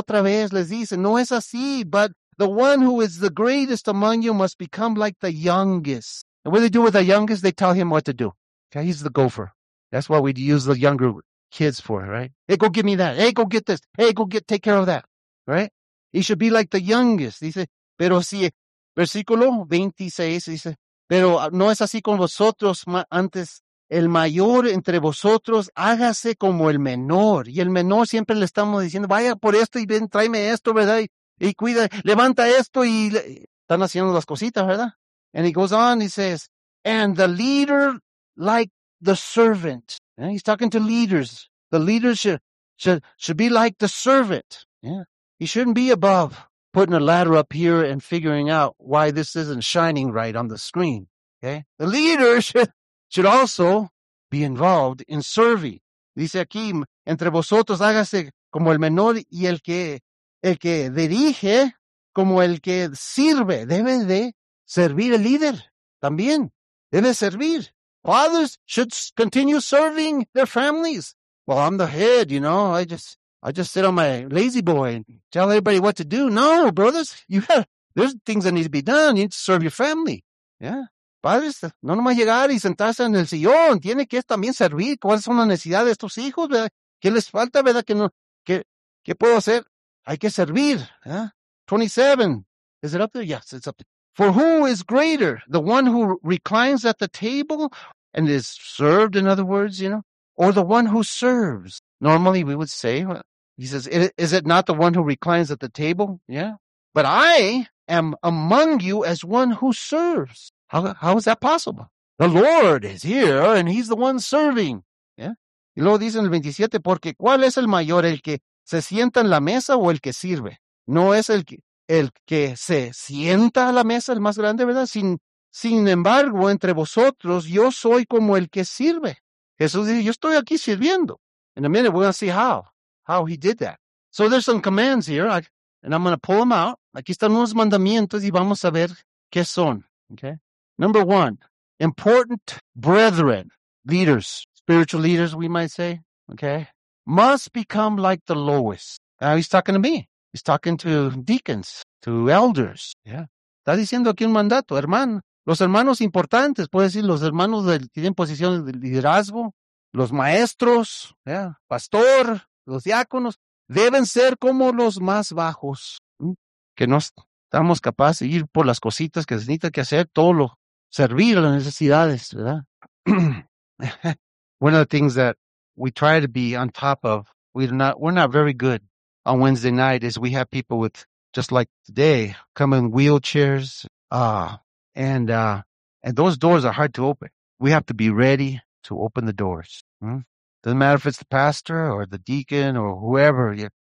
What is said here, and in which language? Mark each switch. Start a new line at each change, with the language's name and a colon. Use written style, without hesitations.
Spanish: Otra vez les dice, no es así,
English: but the one who is the greatest among you must become like the youngest. And what do they do with the youngest? They tell him what to do. Okay, he's the gopher. That's what we'd use the younger kids for, right? Hey, go give me that. Hey, go get this. Hey, go get, take care of that. Right? He should be like the youngest.
Spanish: Dice, pero si, versículo 26, dice, pero no es así con vosotros antes. El mayor entre vosotros, hágase como el menor. Y el menor siempre le estamos diciendo, vaya por esto y ven, tráeme esto, ¿verdad? Y cuida, levanta esto y están haciendo las cositas, ¿verdad?
English: And he goes on, he says, and the leader like the servant. Yeah, he's talking to leaders. The leader should be like the servant. Yeah. He shouldn't be above putting a ladder up here and figuring out why this isn't shining right on the screen. Okay. The leader should also be involved in serving.
Spanish: Dice aquí, entre vosotros hágase como el menor y el que dirige como el que sirve. Debe de servir el líder también. Debe servir.
English: Fathers should continue serving their families. Well, I'm the head, you know. I just I just sit on my lazy boy and tell everybody what to do. No, brothers, there's things that need to be done. You need to serve your family. Yeah.
Spanish: Padres, no nomás llegar y sentarse en el sillón. Tiene que también servir. ¿Cuáles son las necesidades de estos hijos? ¿Verdad? ¿Qué les falta? ¿Verdad? ¿Qué puedo hacer? Hay que servir. ¿Eh? 27.
English: Is it up there? Yes, it's up there. For who is greater, the one who reclines at the table and is served, in other words, you know, or the one who serves? Normally we would say, he says, is it not the one who reclines at the table? Yeah. But I am among you as one who serves. How is that possible? The Lord is here and he's the one serving. Yeah.
Spanish: Y luego dice en el 27, porque ¿cuál es el mayor, el que se sienta en la mesa o el que sirve? No es el que se sienta a la mesa el más grande, ¿verdad? Sin embargo, entre vosotros, yo soy como el que sirve. Jesús dice, yo estoy aquí sirviendo.
English: In a minute, we're going to see how he did that. So there's some commands here, and I'm going to pull them out.
Spanish: Aquí están unos mandamientos y vamos a ver qué son.
English: Okay. Number one, important brethren, leaders, spiritual leaders, we might say, okay, must become like the lowest. Now he's talking to me. He's talking to deacons, to elders. Yeah.
Spanish: Está diciendo aquí un mandato, hermano. Los hermanos importantes, puede decir, los hermanos que tienen posiciones de liderazgo, los maestros, yeah, pastor, los diáconos, deben ser como los más bajos, que no estamos capaces de ir por las cositas que se necesita que hacer, todo lo, servir a las necesidades, ¿verdad?
English: One of the things that we try to be on top of, we're not very good on Wednesday night, is we have people with, just like today, come in wheelchairs, and those doors are hard to open. We have to be ready to open the doors. Hmm? Doesn't matter if it's the pastor or the deacon or whoever. Yeah.